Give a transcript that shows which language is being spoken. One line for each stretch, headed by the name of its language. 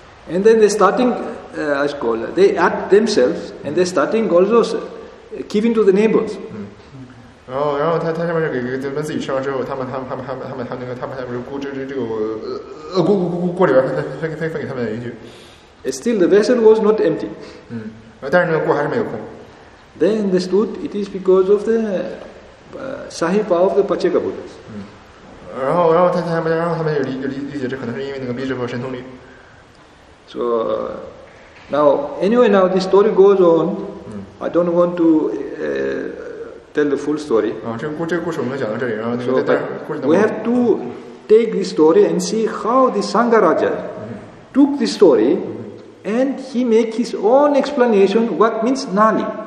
English: And then they're starting, as called, they act themselves, and they're starting also giving to the neighbors.
Chinese: 然后他下面是给他们自己吃完之后，他们那个他们下面这个锅里边分给他们一句。
English: Still the vessel was not empty.
Chinese: 但是那个锅还是没有空。
English: They understood it is because of the Sahipa of the Pacheka Buddhas.
Chinese: 然后他们就理解这可能是因为那个毕支佛神通力。
English: So now anyway, now this story goes on. I don't want to tell the full story.
Chinese: 这个故事我们讲到这里，然后那个故事。
English: We have to take this story and see how the Sangha Raja took this story and he make his own explanation what means Nali.